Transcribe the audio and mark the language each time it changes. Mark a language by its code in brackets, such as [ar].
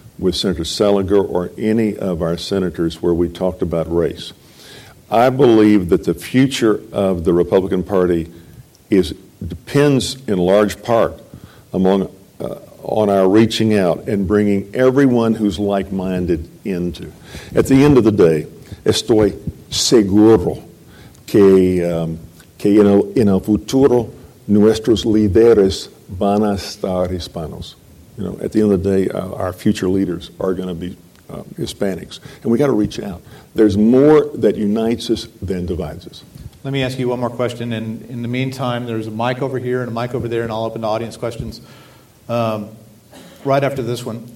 [en] with Senator Seliger or any of our senators where we talked about race. I believe that the future of the Republican Party depends in large part on our reaching out and bringing everyone who's like-minded into. At the end of the day, [es] estoy seguro que en el futuro nuestros líderes van a estar hispanos. [en] You know, at the end of the day, our future leaders are going to be Hispanics. And we got to reach out. There's more that unites us than divides us. Let me ask you one more question. And in the meantime, there's a mic over here and a mic over there, and I'll open to audience questions right after this one.